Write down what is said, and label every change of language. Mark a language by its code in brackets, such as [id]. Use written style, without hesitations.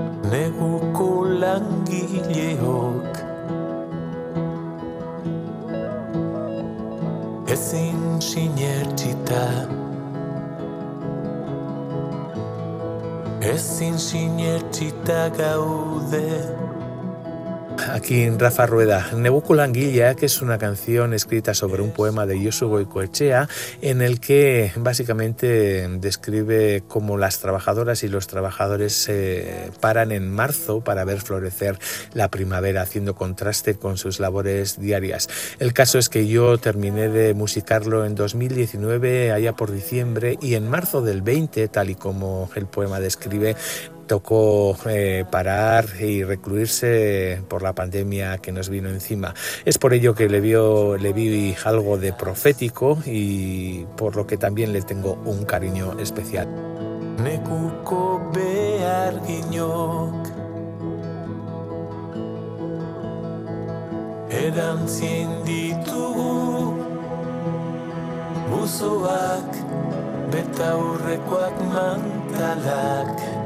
[eu] Neguko langileok ezin sinetxita, ezin sinetxita gaude. [es] Aquí Rafa Rueda. Neguko langileak es una canción escrita sobre un poema de Josu Goikoetxea en el que básicamente describe cómo las trabajadoras y los trabajadores se paran en marzo para ver florecer la primavera, haciendo contraste con sus labores diarias. El caso es que yo terminé de musicarlo en 2019, allá por diciembre, y en marzo del 20, tal y como el poema describe, tocó parar y recluirse por la pandemia que nos vino encima. Es por ello que le vi algo de profético y por lo que también le tengo un cariño especial. [eu] Neguko beharginok erantzien ditugu buzoak betaurrekoak mantalak.